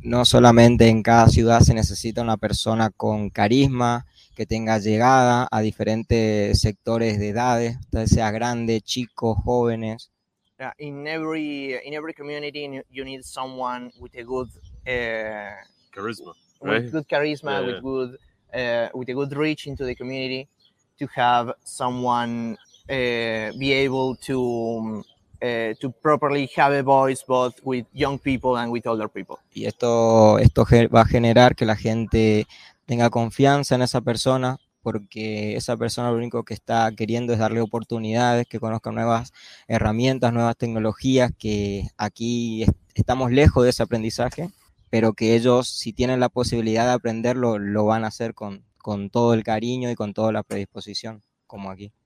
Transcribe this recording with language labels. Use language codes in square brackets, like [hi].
[es] No solamente en cada ciudad se necesita una persona con carisma, que tenga llegada a diferentes sectores de edades, sea grande, chico, jóvenes. [en] In every community, you need someone with a good charisma, with right? Good charisma, yeah. with a good reach into the community, to have someone be able to properly have a voice, both with young people and with older people. [es] Y esto va a generar que la gente tenga confianza en esa persona, porque esa persona lo único que está queriendo es darle oportunidades, que conozca nuevas herramientas, nuevas tecnologías, que aquí estamos lejos de ese aprendizaje, pero que ellos, si tienen la posibilidad de aprenderlo, lo van a hacer con todo el cariño y con toda la predisposición, como aquí.